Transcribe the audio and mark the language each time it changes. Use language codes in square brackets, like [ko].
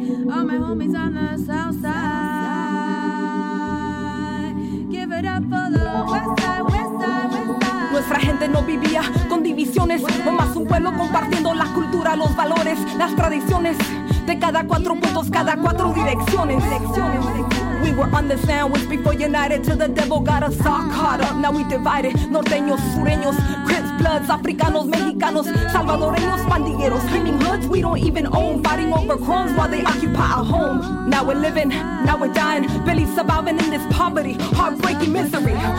[en] All my homies on the south side, give it up for the west side. [es] Nuestra gente no vivía con divisiones, nomás un pueblo compartiendo la cultura, los valores, las tradiciones de cada cuatro puntos, cada cuatro direcciones. [en] we were on the sandwich before united till the devil got us all caught up. Now we divided, norteños, sureños, Crips, Bloods, Africanos, Mexicanos, Salvadoreños, Pandilleros, screaming hoods we don't even own, fighting over crumbs while they occupy our home. Now we're living, now we're dying, barely surviving in this poverty, heartbreaking misery.